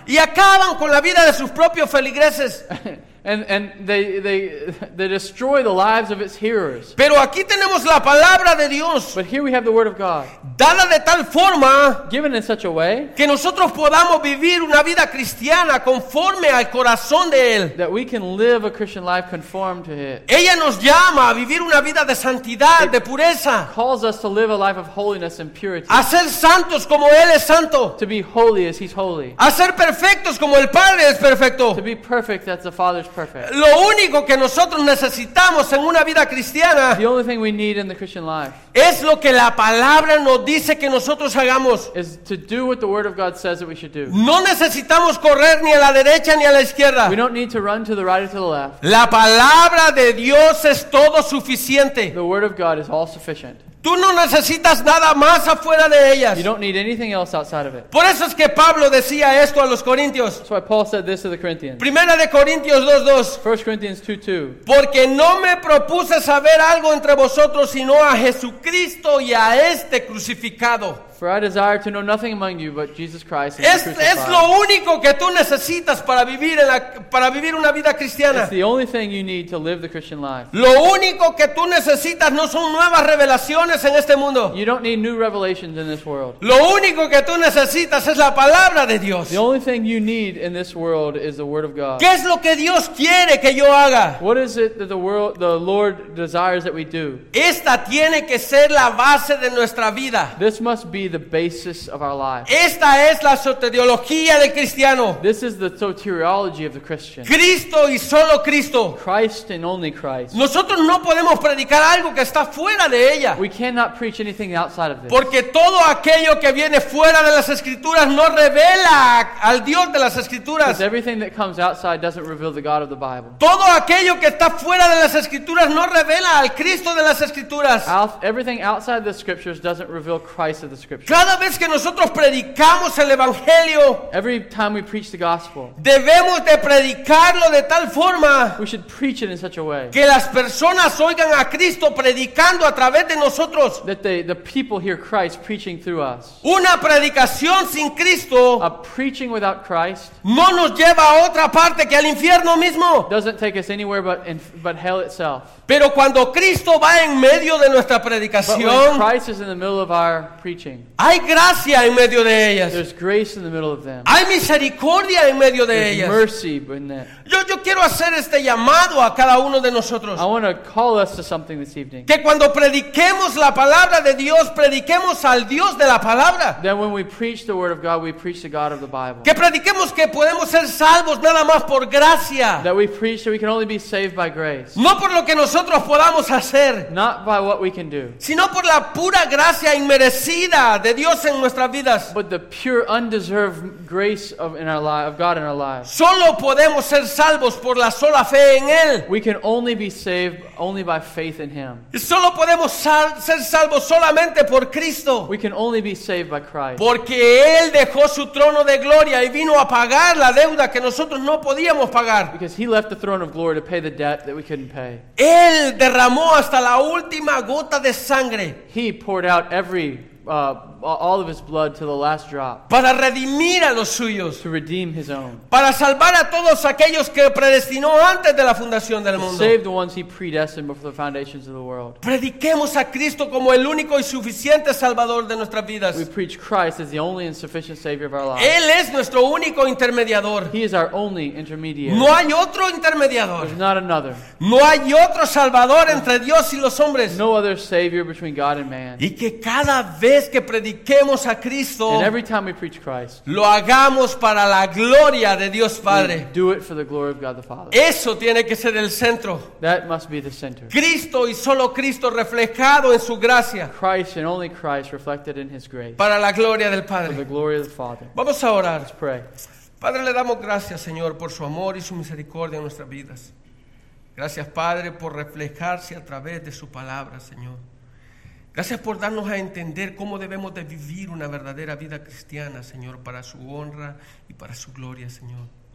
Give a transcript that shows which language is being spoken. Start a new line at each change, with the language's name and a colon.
Spanish: Y acaban con la vida de sus propios feligreses.
English: And they destroy the lives of its hearers.
Spanish: Pero aquí tenemos la palabra de Dios.
English: But here we have the word of God.
Spanish: Dada de tal forma,
English: given in such a way,
Spanish: que nosotros podamos vivir una vida cristiana conforme al corazón de él.
English: That we can live a Christian life conform to it.
Spanish: Ella nos llama a vivir una vida de santidad,
English: it
Spanish: de pureza.
English: Calls us to live a life of holiness and purity.
Spanish: A ser santos como él es santo.
English: To be holy as he's holy.
Spanish: A ser perfectos como el Padre es perfecto.
English: To be perfect as the Father.
Spanish: Lo único que nosotros necesitamos en una vida cristiana,
English: the only thing we need in the Christian life,
Spanish: es lo que la palabra nos dice que nosotros hagamos.
English: Is to do what the word of God says that we should do.
Spanish: No necesitamos correr ni a la derecha ni a la izquierda.
English: We don't need to run to the right or to the left.
Spanish: La palabra de Dios es todo suficiente.
English: The word of God is all sufficient.
Spanish: Tú no necesitas nada más afuera de ellas.
English: You don't need anything else outside of it.
Spanish: Por eso es que Pablo decía esto a los corintios.
English: That's why Paul said this to the Corinthians.
Spanish: Primera de Corintios 2:2.
English: 1 Corinthians 2:2.
Spanish: Porque no me propuse saber algo entre vosotros sino a Jesucristo y a este crucificado.
English: For I desire to know nothing among you but Jesus Christ and
Spanish: es,
English: the crucified.
Spanish: Es lo único que tú necesitas para vivir en la, para vivir una vida cristiana.
English: It's the only thing you need to live the Christian life.
Spanish: Lo único que tú necesitas no son nuevas revelaciones en este mundo.
English: You don't need new revelations in this world.
Spanish: Lo único que tú necesitas es la palabra de Dios.
English: The only thing you need in this world is the word of God.
Spanish: ¿Qué es lo que Dios quiere que yo haga?
English: What is it that the Lord desires that we do?
Spanish: Esta tiene que ser la base de nuestra vida.
English: This must be the basis of our life.
Spanish: Esta es la soteriología del cristiano.
English: This is the soteriology of the Christian.
Spanish: Cristo y solo Cristo.
English: Christ and only Christ.
Spanish: Nosotros no podemos predicar algo que está fuera de ella.
English: We cannot preach anything outside of this.
Spanish: Porque todo aquello que viene fuera de las escrituras no revela al Dios de las escrituras.
English: Because everything that comes outside doesn't reveal the God of the Bible.
Spanish: Todo aquello que está fuera de las escrituras no revela al Cristo de las escrituras.
English: Everything outside the scriptures doesn't reveal Christ of the scriptures. scripture.
Spanish: Cada vez que nosotros predicamos el evangelio,
English: every time we preach the gospel,
Spanish: debemos de predicarlo de tal forma,
English: we should preach it in such a way,
Spanish: que las personas oigan a Cristo predicando a través de nosotros.
English: That the people hear Christ preaching through us.
Spanish: Una predicación sin Cristo,
English: a preaching without Christ,
Spanish: no nos lleva a otra parte que al infierno mismo.
English: Doesn't take us anywhere but hell itself.
Spanish: Pero cuando Cristo va en medio de nuestra predicación,
English: but when Christ is in the middle of our preaching,
Spanish: hay gracia en medio de ellas.
English: There's grace in the middle of them.
Spanish: Hay misericordia en medio de
English: there's
Spanish: ellas.
English: Mercy in that.
Spanish: Yo quiero hacer este llamado a cada uno de nosotros.
English: I want to call us to something this evening.
Spanish: Que cuando prediquemos la palabra de Dios, prediquemos al Dios de la palabra.
English: That when we preach the word of God, we preach the God of the Bible.
Spanish: Que prediquemos que podemos ser salvos nada más por gracia.
English: That we preach that we can only be saved by grace.
Spanish: No por lo que nosotros podamos hacer,
English: not by what we can do,
Spanish: sino por la pura gracia inmerecida de Dios en nuestras vidas,
English: but the pure undeserved grace of God in our lives.
Spanish: Solo podemos ser salvos por la sola fe en Él.
English: We can only be saved only by faith in Him.
Spanish: Solo podemos ser salvos solamente por Cristo.
English: We can only be saved by Christ.
Spanish: Porque Él dejó su trono de gloria y vino a pagar la deuda que nosotros no podíamos pagar.
English: Because He left the throne of glory to pay the debt that we couldn't pay.
Spanish: Él derramó hasta la última gota de sangre.
English: He poured out all of his blood to the last drop.
Spanish: Para redimir a los suyos.
English: To redeem his own.
Spanish: Para salvar a todos aquellos que predestinó antes de la fundación del mundo.
English: To save the ones he predestined before the foundations of the world.
Spanish: Prediquemos a Cristo como el único y suficiente salvador de nuestras vidas.
English: We preach Christ as the only and sufficient savior of our lives.
Spanish: Él es nuestro único intermediador.
English: He is our only intermediary.
Spanish: No hay otro intermediador.
English: There's not another.
Spanish: No hay otro salvador entre Dios y los hombres.
English: No other savior between God and man.
Spanish: Y que cada vez que prediquemos a Cristo,
English: and every time we preach Christ,
Spanish: lo hagamos para la gloria de Dios Padre.
English: We do it for the glory of God the Father.
Spanish: Eso tiene que ser el centro.
English: That must be the center.
Spanish: Cristo y solo Cristo reflejado en su gracia.
English: Christ and only Christ reflected in His grace.
Spanish: Para la gloria del Padre.
English: For the glory of the Father.
Spanish: Vamos a orar.
English: Let's pray.
Spanish: Padre, le damos gracias, Señor, por su amor y su misericordia en nuestras vidas. Gracias, Padre, por reflejarse a través de su palabra, Señor. Gracias por darnos a entender cómo debemos de vivir una verdadera vida cristiana, Señor, para su honra y para su gloria, Señor.